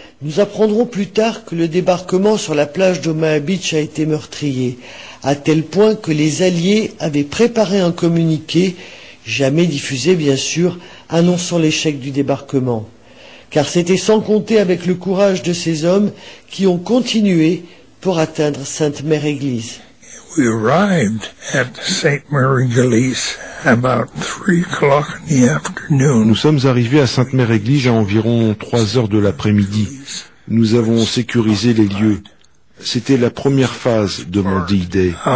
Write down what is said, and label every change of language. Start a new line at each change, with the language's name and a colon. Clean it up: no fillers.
French: Nous apprendrons plus tard que le débarquement sur la plage d'Omaha Beach a été meurtrier, à tel point que les Alliés avaient préparé un communiqué, jamais diffusé bien sûr, annonçant l'échec du débarquement. Car c'était sans compter avec le courage de ces hommes qui ont continué pour atteindre Sainte Mère Église.
English: We arrived at Sainte Mère Église about 3 o'clock in the afternoon.
French: Nous sommes arrivés à Sainte Mère Église à environ 3 heures de l'après-midi. Nous avons sécurisé les lieux. C'était la première phase de mon D-Day.